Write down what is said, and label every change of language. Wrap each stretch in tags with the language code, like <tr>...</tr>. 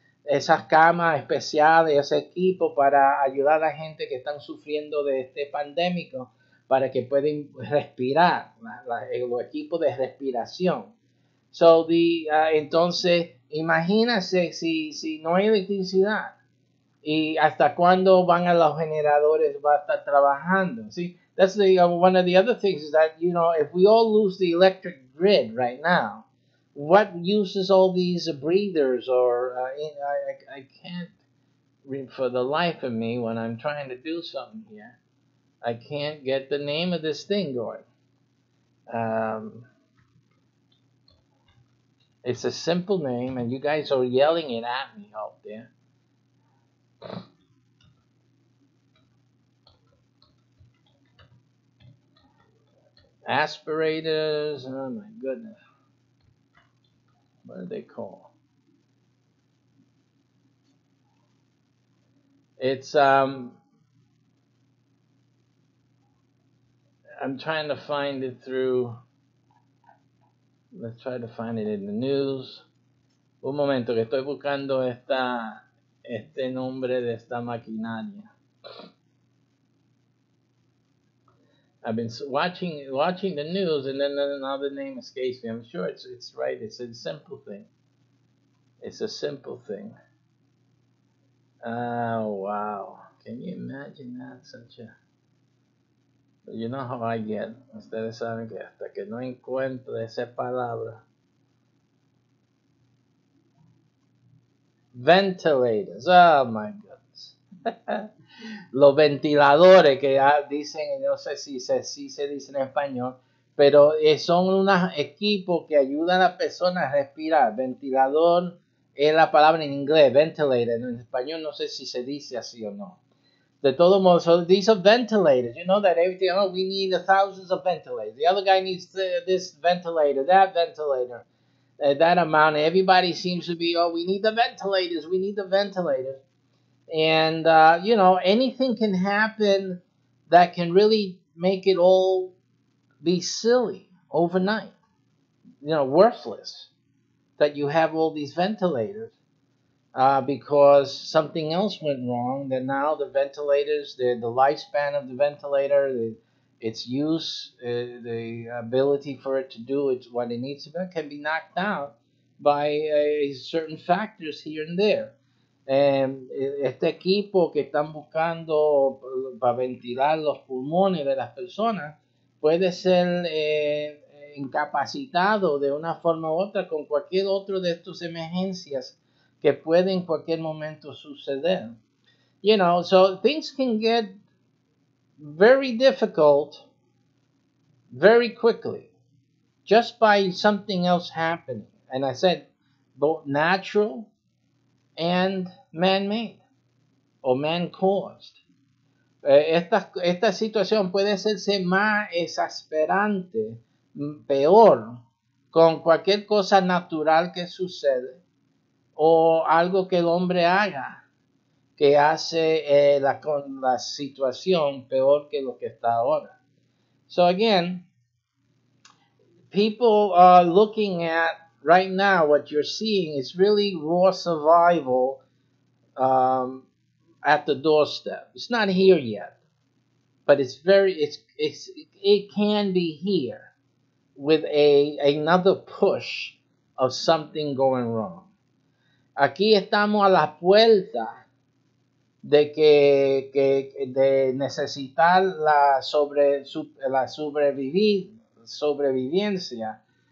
<es>Esas camas especiales, ese equipo para ayudar a la gente que están sufriendo de este pandémico para que puedan respirar, los equipos de respiración. So entonces, imagínense si no hay electricidad y hasta cuándo van a los generadores va a estar trabajando.</es> <en>See, that's the one of the other things is that, you know, if we all lose the electric grid right now, what use is all these breathers or I can't read for the life of me when I'm trying to do something here. I can't get the name of this thing going. It's a simple name, and you guys are yelling it at me out there. Aspirators, oh my goodness. What are they called? It's, I'm trying to find it through. Let's try to find it in the news.</en> <es>Un momento, que estoy buscando este nombre de esta maquinaria.</es> <en>I've been watching the news, and then another name escapes me. I'm sure it's right. It's a simple thing. It's a simple thing. Oh, wow. Can you imagine that? Such a... You know how I get.</en> <es>Ustedes saben que hasta que no encuentro esa palabra.</es> <en>Ventilators. Oh, my goodness.</en> <es>Los ventiladores que dicen, no sé si se dice en español, pero son unos equipos que ayudan a la persona a respirar. Ventilador es la palabra en inglés, ventilated. En español no sé si se dice así o no. De todo modo,</es> <en>so these are ventilators. You know that everything, oh, we need thousands of ventilators. The other guy needs this ventilator, that ventilator, that amount. Everybody seems to be, oh, we need the ventilators, we need the ventilators. And, you know, anything can happen that can really make it all be silly overnight. You know, worthless that you have all these ventilators. Because something else went wrong, then now the ventilators, the lifespan of the ventilator, its use, the ability for it to do it, what it needs to do, can be knocked out by certain factors here and there.</en> <es>Este equipo que están buscando para ventilar los pulmones de las personas puede ser incapacitado de una forma u otra con cualquier otro de estas emergencias que puede en cualquier momento suceder.</es> <en>You know, so things can get very difficult very quickly just by something else happening. And I said, both natural and man-made or man-caused.</en> <es>Esta situación puede hacerse más exasperante, peor, con cualquier cosa natural que sucede o algo que el hombre haga que hace la situación peor que lo que está ahora.</es> <en>So again, people are looking at right now what you're seeing is really raw survival at the doorstep. It's not here yet, but it can be here with another push of something going wrong.</en> <es>Aquí estamos a la puerta de que de necesitar la sobreviviencia,</es>